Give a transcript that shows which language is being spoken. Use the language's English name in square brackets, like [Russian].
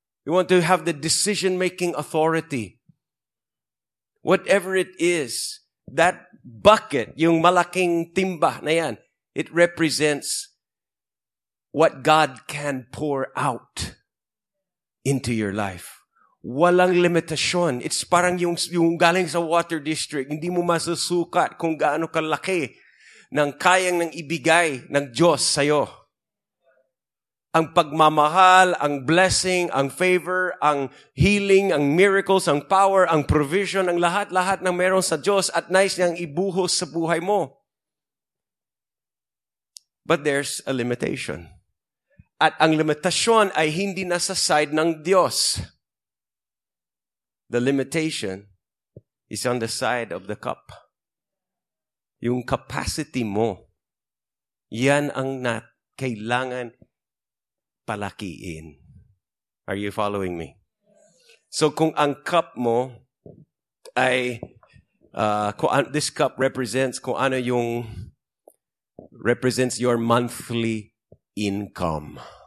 [English] You want to have the decision-making authority. Whatever it is, that bucket, [Filipino] yung malaking timba na yan, [English] it represents what God can pour out into your life. [Filipino] Walang limitasyon. It's parang yung galing sa water district. Hindi mo masusukat kung gaano kalaki ng kayang ng ibigay ng Diyos sa'yo. Ang pagmamahal, ang blessing, ang favor, ang healing, ang miracles, ang power, ang provision, ang lahat-lahat ng meron sa Diyos at nais niyang ibuhos sa buhay mo. [English] But there's a limitation. [Filipino] At ang limitasyon ay hindi nasa side ng Diyos. [English] The limitation is on the side of the cup. [Filipino] Yung capacity mo, yan ang kailangan palakiin. [English] Are you following me? So [Filipino] kung ang cup mo ay, [English] this cup represents kung ano yung represents your monthly income.